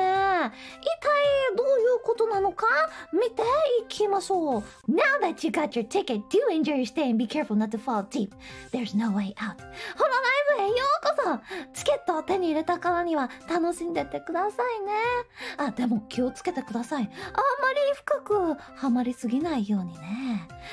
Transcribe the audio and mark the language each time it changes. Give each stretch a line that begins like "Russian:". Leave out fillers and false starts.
Japanese: 一体どういうことなのか見ていきましょう。
English: Now that you got your ticket, do enjoy your stay and be careful not to fall deep. There's no way out. Hololive
Japanese: へようこそ。チケットを手に入れたからには楽しんでてくださいね。あ、でも気をつけてください。あんまり深くはまりすぎないようにね。